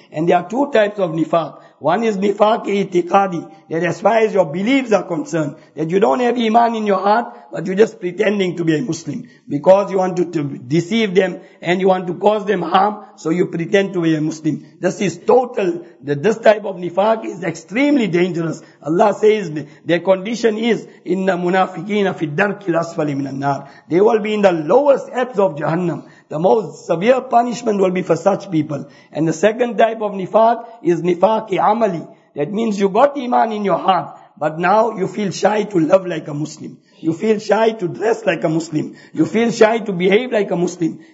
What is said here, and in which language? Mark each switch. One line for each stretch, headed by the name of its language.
English: And there are two types of nifaq. One is nifaq itiqadi, that as far as your beliefs are concerned, that you don't have iman in your heart, but you're just pretending to be a Muslim. Because you want to deceive them and you want to cause them harm, so you pretend to be a Muslim. This is total, this type of nifaq is extremely dangerous. Allah says their condition is,
Arabic: إِنَّ مُنَافِقِينَ فِي الدَّرْكِ الْأَسْفَلِ مِنَ النَّارِ.
English: They will be in the lowest depths of Jahannam. The most severe punishment will be for such people. And the second type of nifaq is nifaqi amali. That means you got iman in your heart, but now you feel shy to love like a Muslim. You feel shy to dress like a Muslim. You feel shy to behave like a Muslim.